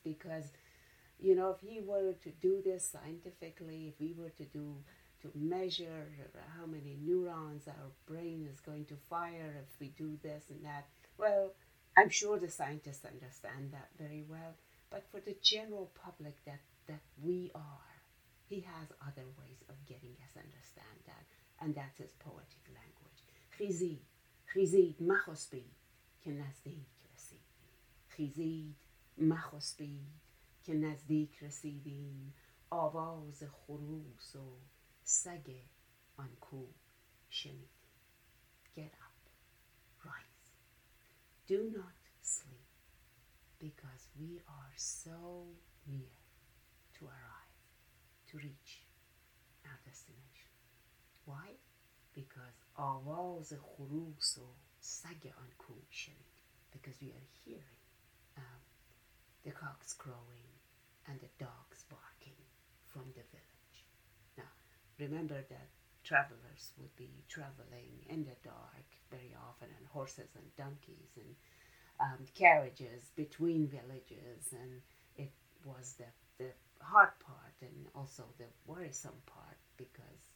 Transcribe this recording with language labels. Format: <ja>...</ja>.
<en>Because, you know, if he were to do this scientifically, if we were to measure how many neurons our brain is going to fire if we do this and that, well, I'm sure the scientists understand that very well. But for the general public that we are, he has other ways of getting us to understand that, and that's his poetic language.</en> <fa>خیزید، خیزید، مخسبید که نزدیک رسید. خیزید، مخسبید که نزدیک رسیدیم، آواز خروس و سگ آن کو شنیدیم.</fa> <en>Get up, rise. Do not sleep, because we are so near to arrive, to reach our destination. Why? Because</en> <fa>آواز خروس و سگ آن کو شنیدیم.</fa> <en>Because we are hearing the cocks crowing and the dogs barking from the village. Now, remember that travelers would be traveling in the dark very often, and horses and donkeys and carriages between villages, and it was the hard part and also the worrisome part, because</en>